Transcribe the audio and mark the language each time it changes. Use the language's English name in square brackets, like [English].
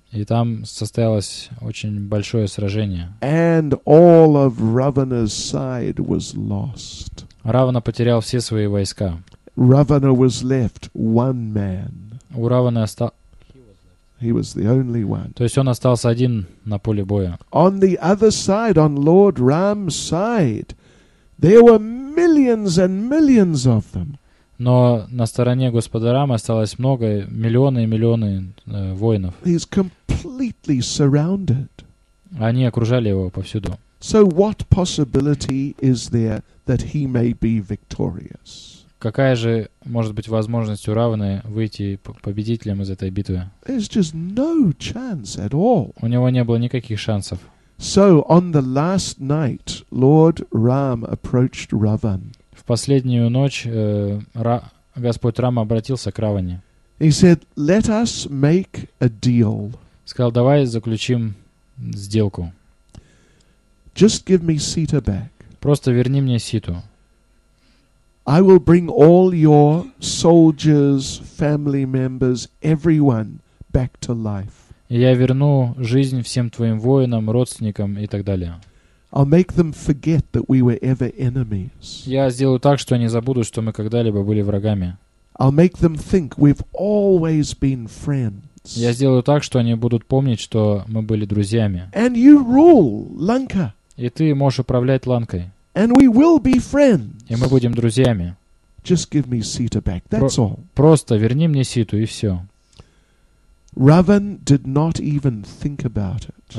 [Russian] И там состоялось очень большое сражение. [English] And all of Ravana's side was lost. [Russian] Равана потерял все свои войска. [English] Ravana was left one man. [Russian] У Раваны остался. [English] He was the only one. [Russian] То есть он остался один на поле боя. [English] On the other side, on Lord Ram's side, there were millions and millions of them. [Russian] Но на стороне Господа Рамы осталось много, миллионы и миллионы воинов. [English] He's completely surrounded. [Russian] Они окружали его повсюду. [English] So what possibility is there that he may be victorious? [Russian] Какая же может быть возможность у Равны выйти победителем из этой битвы? [English] There's just no chance at all. [Russian] У него не было никаких шансов. [English] So on the last night, Lord Ram approached Ravan. [Russian] В последнюю ночь Господь Рама обратился к Раване. [English] He said, "Let us make a deal." [Russian] Сказал, давай заключим сделку. [English] Just give me Sita back. [Russian] Просто верни мне Ситу. [English] I will bring all your soldiers, family members, everyone back to life. [Russian] Я верну жизнь всем твоим воинам, родственникам и так далее. [English] I'll make them forget that we were ever enemies. [Russian] Я сделаю так, что они забудут, что мы когда-либо были врагами. [English] I'll make them think we've always been friends. [Russian] Я сделаю так, что они будут помнить, что мы были друзьями. [English] And you rule Lanka. [Russian] И ты можешь управлять Ланкой. [English] And we will be friends. [Russian] И мы будем друзьями. [English] Just give me Sita back. That's all. [Russian] Просто верни мне Ситу и все. [English] Ravan did not even think about it.